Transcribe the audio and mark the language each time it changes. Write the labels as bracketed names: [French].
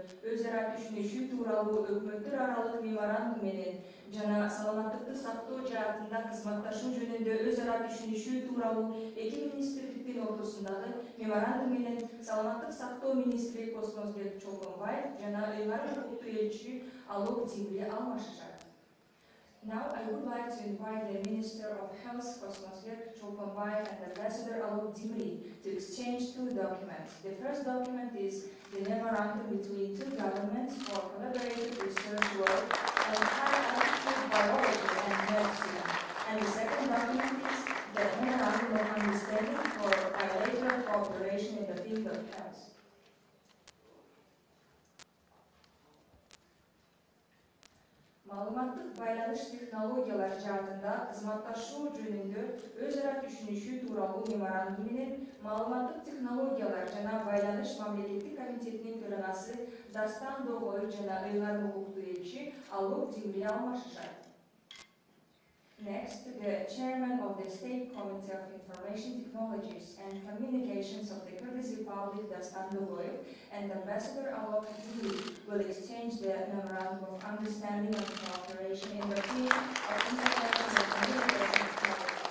[Kyrgyz] Өкмөттөр аралык меморандум менен жана саламаттыкты сактоо жаатында кызматташуу жөнүндө өз ара түшүнүшүү тууралуу эки министрликтин ортосундагы меморандум менен саламаттык сактоо министри Космосбек Чолпонбаев жана ыйгарым укуктуу элчи Алок Тимри алмашышат. [English] Now I would like to invite the Minister of Health Космосбек Чолпонбаев and Ambassador Алок Тимри to exchange two documents. The first document is the memorandum between two governments for collaborative research work on high-altitude biology and medicine. And the second document is the memorandum of understanding for bilateral cooperation in the field of health. [Kyrgyz] Маалыматтык байланыш технологиялар жаатында кызматташуу жөнүндө өз ара түшүнүшүү тууралуу меморандум менен маалыматтык технологиялар жана байланыш мамлекеттик комитетинин төрагасы Дастан Догой жана ыйгарым укуктуу элчи Алок Тимри алмашышат. [English] Next, the chairman of the State Committee of Information Technologies and Communications of the Kyrgyz Republic, Dastan Dogoyev, and Ambassador Alok Timri will exchange the memorandum of understanding and cooperation in the field of intellectual and communication technologies.